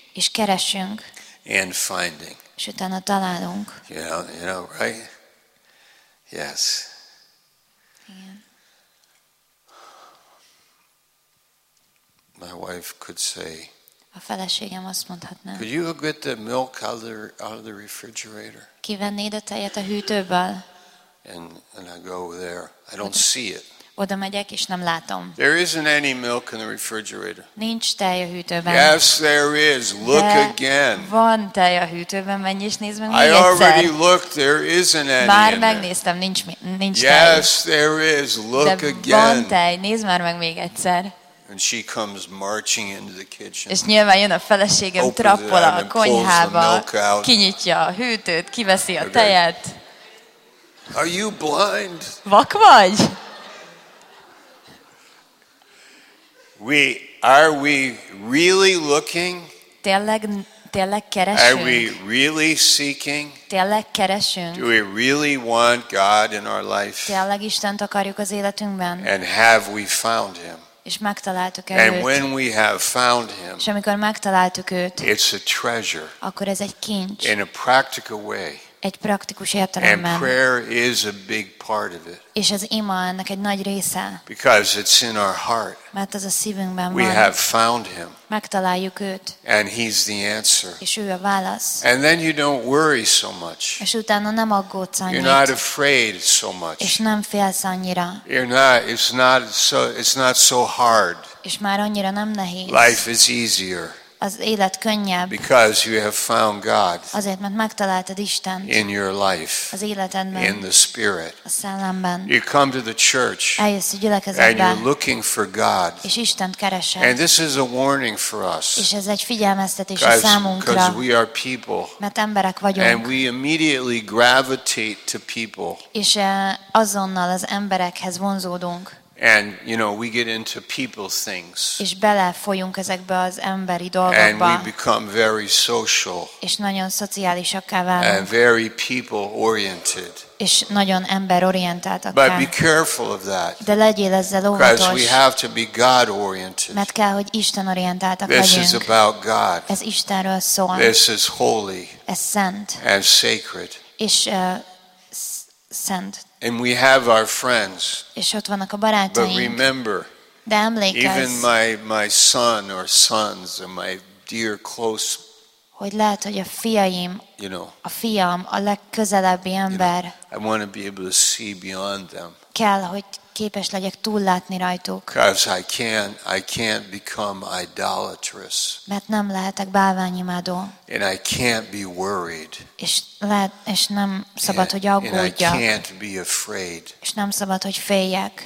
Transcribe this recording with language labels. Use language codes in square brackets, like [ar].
[hu] És keresünk. [en] And finding. [hu] És utána találunk. [en] You know, right? Yes. My wife could say. [hu] A feleségem azt mondhatná. [en] Could you get the milk out of the refrigerator? [hu] Kivennéd a tejet a hűtőből? [en] And I go there. I don't see it. [hu] Oda megyek és nem látom. [en] There isn't any milk in the refrigerator. [hu] Nincs tej a hűtőben. [en] Yes, there is. Look again. [hu] Van tej a hűtőben, menj és nézd meg. [en] I already looked. There isn't any. [hu] Már megnéztem, nincs tej. [en] Yes, there is. Look again. [hu] De van tej, nézd már meg még egyszer. [en] And she comes marching into the kitchen. [hu] És nyilván jön a feleségem, trappol a konyhába, kinyitja a hűtőt, kiveszi a tejet. [en] Are you blind? [hu] Vak vagy? [en] Are we really looking? [hu] Tényleg keresünk? [en] Are we really seeking? [hu] Tényleg keresünk? [en] Do we really want God in our life? [hu] Tényleg Istent akarjuk az életünkben? [en] And have we found him? [hu] És megtaláltuk [en] őt. And when we have found him. [hu] És amikor megtaláltuk őt. [en] It's a treasure. [hu] Akkor ez egy kincs. [en] In a practical way. [hu] Egy praktikus értelemben. [en] And prayer is a big part of it. [hu] És az ima ennek egy nagy része. [en] Because it's in our heart. [hu] Mert az a szívünkben van. [en] We have found him. [hu] Megtaláljuk őt. [en] And he's the answer. [hu] És ő a válasz. [en] And then you don't worry so much. [hu] És utána nem aggódsz annyit. [en] You're not afraid so much. [hu] És nem félsz annyira. [en] It's not so hard. [hu] És már annyira nem nehéz. [en] Life is easier. [hu] az élet könnyebb. [en] Because you have found God. [hu] Azért, mert megtaláltad Istent. [en] In your life. [hu] Az életedben. [en] In the Spirit. [hu] A szellemben. [en] You come to the church. [hu] Eljössz a gyülekezetbe. [en] And you're looking for God. [hu] És Istent keresed. [en] And this is a warning for us. [hu] És ez egy figyelmeztetés a számunkra. [en] Because we are people. [hu] Mert emberek vagyunk. [en] And we immediately gravitate to people. [hu] És azonnal az emberekhez vonzódunk. [en] And you know we get into people's things. [hu] És belefolyunk ezekbe az emberi dolgokba. [en] And we become very social. [hu] És nagyon szociálisakká válunk. [en] And very people oriented. [hu] És nagyon emberorientáltakká. [en] But be careful of that. [hu] De legyél ezzel óvatos. [en] Because we have to be God oriented. [hu] Mert kell, hogy Isten orientáltak [en] this [hu] legyünk. [en] This is about God. [hu] Ez Istenről szól. [en] This is holy. [hu] Ez szent. [en] And sacred. [hu] És szent. [en] And we have our friends. [hu] És ott vannak a barátaink. [en] But remember, [hu] de emlékezz, [en] even my son or sons or my dear close. [hu] Hogy lehet, hogy a fiaim, [en] you know, [hu] a fiam, a legközelebbi ember. [en] You know, I want to be able to see beyond them. [hu] Kell, hogy képes legyek túllátni rajtuk. [en] Because I can't become idolatrous. [hu] Mert nem lehetek bálványimádó. [en] And I can't be worried. [hu] És nem szabad, [en] and, [hu] hogy aggódjak. [en] And I can't be afraid. [hu] És nem szabad, hogy féljek.